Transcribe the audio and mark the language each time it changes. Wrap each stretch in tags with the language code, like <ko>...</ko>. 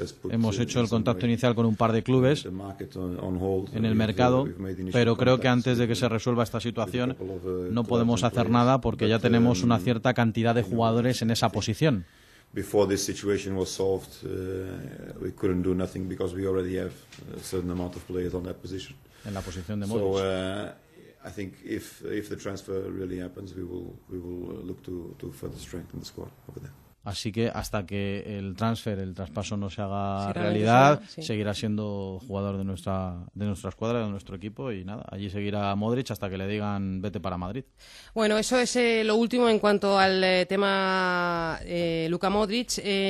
<es>Hemos hecho el contacto inicial con un par de clubes en el mercado, pero creo que antes de que se resuelva esta situación no podemos hacer nada porque ya tenemos una cierta cantidad de jugadores en esa posición.</es> <en>Before this situation was solved, we couldn't do nothing because we already have a certain amount of players on that position.</en> <es>En la posición de Modric.</es> <en>So I think if the transfer really happens, we will look to further strengthen the squad over there.</en> <es>Así que hasta que el traspaso no se haga realidad, seguirá siendo jugador de nuestra escuadra, de nuestro equipo, y nada, allí seguirá Modric hasta que le digan vete para Madrid. Bueno, eso es lo último en cuanto al tema Luka Modric.</es>